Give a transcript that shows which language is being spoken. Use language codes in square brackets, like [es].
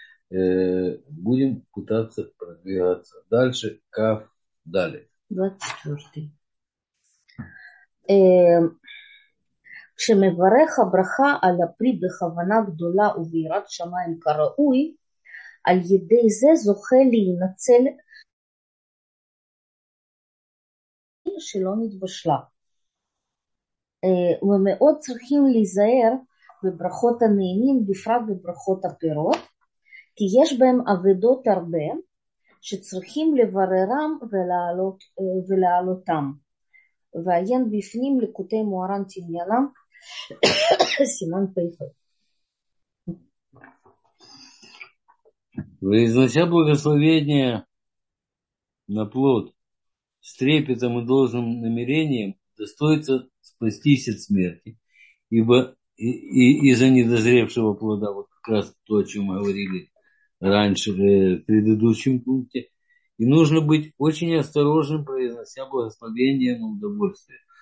[ru] Будем пытаться продвигаться дальше, как далее. 24. [he] כשמברך הברכה על הפרי בכוונה גדולה וביראת שמיים כראוי, על ידי זה זוכה להינצל שלא נתבשלה. ומאוד צריכים להיזהר בברכות הנעימים, בפרט בברכות הפירות, כי יש בהם אבדות הרבה שצריכים לבררם ולעלותם. ועיין בפנים לקוטי מוהר"ן תמיינם, Симон Пейхов. [ru] Произнося благословение на плод с трепетом и должным намерением, достоится спастись от смерти, ибо из-за недозревшего плода, вот как раз то, о чем мы говорили раньше, в предыдущем пункте, и нужно быть очень осторожным, произнося благословение на удовольствие.